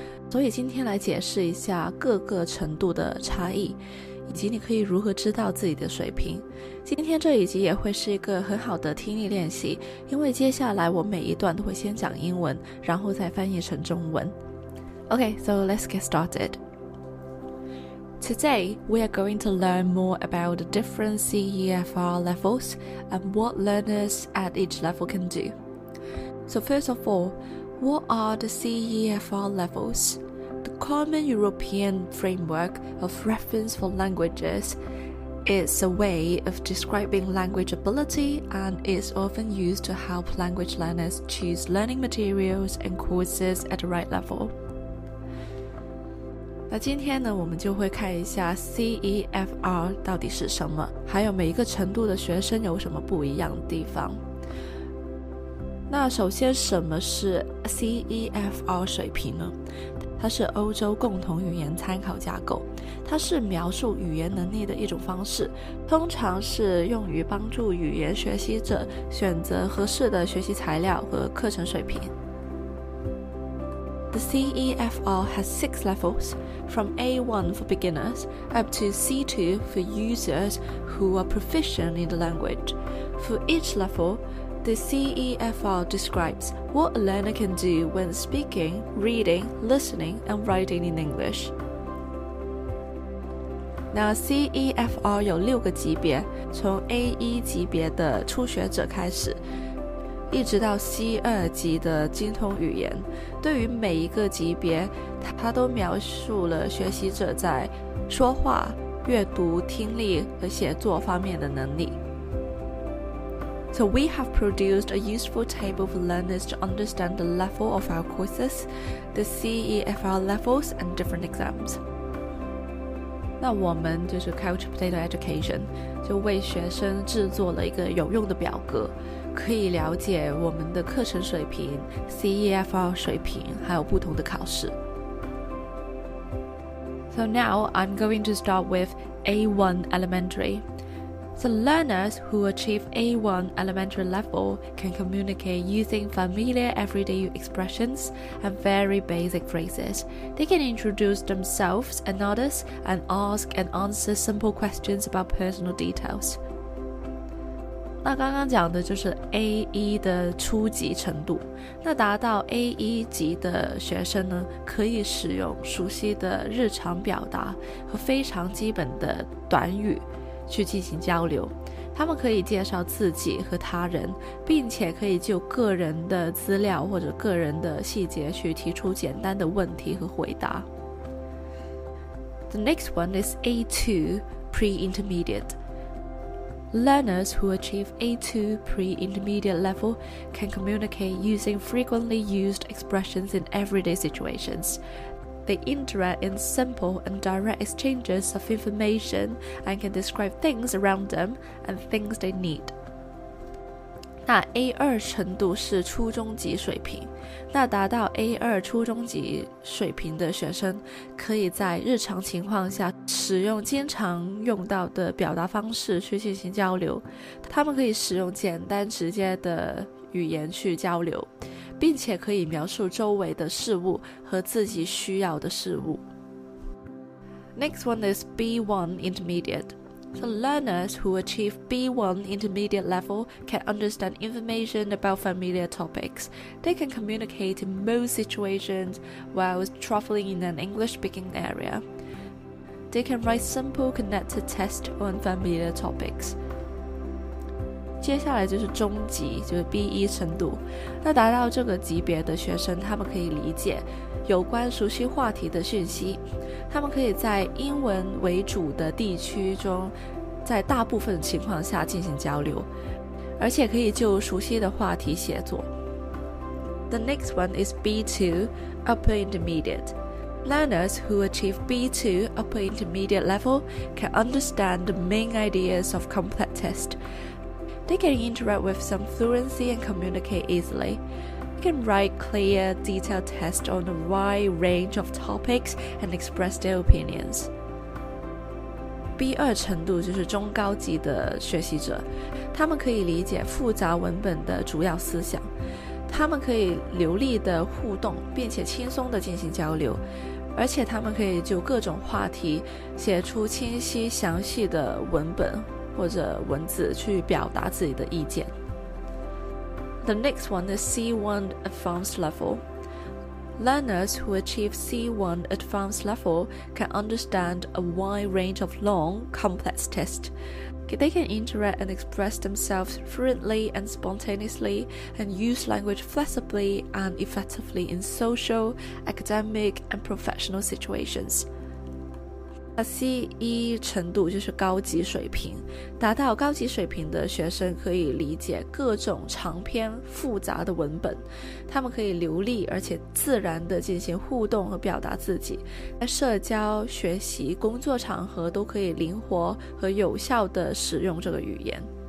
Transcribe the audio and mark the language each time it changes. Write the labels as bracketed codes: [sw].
[zh] 所以今天来解释一下各个程度的差异，以及你可以如何知道自己的水平。今天这一集也会是一个很好的听力练习，因为接下来我每一段都会先讲英文，然后再翻译成中文。 [en] Okay, so let's get started. Today, we are going to learn more about the different CEFR levels and what learners at each level can do. So first of all, what are the CEFR levels? The Common European Framework of Reference for Languages is a way of describing language ability and is often used to help language learners choose learning materials and courses at the right level. [zh] 那今天呢，我们就会看一下 CEFR 到底是什么，还有每一个程度的学生有什么不一样的地方。那首先，什么是 CEFR 水平呢？它是欧洲共同语言参考架构，它是描述语言能力的一种方式，通常是用于帮助语言学习者选择合适的学习材料和课程水平。 [en] The CEFR has six levels, from A1 for beginners up to C2 for users who are proficient in the language. For each level,The CEFR describes what a learner can do when speaking, reading, listening, and writing in English. [zh] Now, CEFR 有六个级别，从 A1 级别的初学者开始，一直到 C2 级的精通语言。对于每一个级别，它都描述了学习者在说话、阅读、听力和写作方面的能力。 [en] So we have produced a useful table for learners to understand the level of our courses, the CEFR levels, and different exams. [zh] 那我们就是 Couch Potato Education, 就为学生制作了一个有用的表格，可以了解我们的课程水平、CEFR 水平，还有不同的考试。 [en] So now I'm going to start with A1 Elementary. So learners who achieve A1 elementary level can communicate using familiar everyday expressions and very basic phrases. They can introduce themselves and others and ask and answer simple questions about personal details. [zh] 那刚刚讲的就是 A1 的初级程度。那达到 A1 级的学生呢，可以使用熟悉的日常表达和非常基本的短语。去进行交流，他们可以介绍自己和他人，并且可以就个人的资料或者个人的细节去提出简单的问题和回答。 [en] The next one is A2 pre-intermediate. Learners who achieve A2 pre-intermediate level can communicate using frequently used expressions in everyday situations. They interact in simple and direct exchanges of information and can describe things around them and things they need. [zh] 那 A2 程度是初中级水平，那达到 A2 初中级水平的学生可以在日常情况下使用经常用到的表达方式去进行交流，他们可以使用简单直接的语言去交流。并且可以描述周围的事物和自己需要的事物。 [en] Next one is B1 Intermediate. So learners who achieve B1 Intermediate level can understand information about familiar topics. They can communicate in most situations while traveling in an English-speaking area. They can write simple connected tests on familiar topics. [zh] 接下来就是中级，就是 B1 程度。那达到这个级别的学生，他们可以理解有关熟悉话题的讯息，他们可以在英文为主的地区中，在大部分情况下进行交流，而且可以就熟悉的话题写作。 [en] The next one is B2, Upper Intermediate. Learners who achieve B2 upper intermediate level can understand the main ideas of complex tests. They can interact with some fluency and communicate easily. They can write clear, detailed tests on a wide range of topics and express their opinions. [zh] B2 程度就是中高级的学习者，他们可以理解复杂文本的主要思想，他们可以流利的互动，并且轻松的进行交流，而且他们可以就各种话题写出清晰详细的文本或者文字去表达自己的意见。 [en] The next one is C1 Advanced Level. Learners who achieve C1 advanced level can understand a wide range of long, complex tests. They can interact and express themselves fluently and spontaneously and use language flexibly and effectively in social, academic, and professional situations. [zh] C1 程度就是高级水平，达到高级水平的学生可以理解各种长篇复杂的文本，他们可以流利而且自然地进行互动和表达自己，在社交、学习、工作场合都可以灵活和有效地使用这个语言。